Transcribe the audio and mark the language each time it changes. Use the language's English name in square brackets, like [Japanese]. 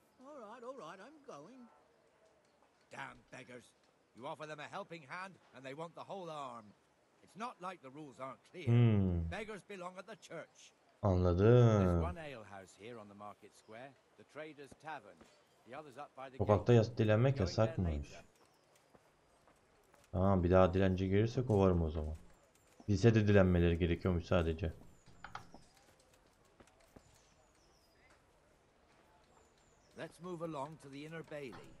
[English] All right, I'm going. Damn beggars. You offer them a helping hand, and they want the whole arm. It's not like the rules aren't clear. Beggars belong at the church. [Turkish] Anladım. [English] There's one alehouse here on the market square, the trader's tavern. The others up by the gate. [Turkish] Sokakta dilenmek yasakmış. Tamam, bir daha dilenci gelirse kovarım o zaman. Lisede dilenmeleri gerekiyormuş sadece. [English] Let's move along to the inner bailey.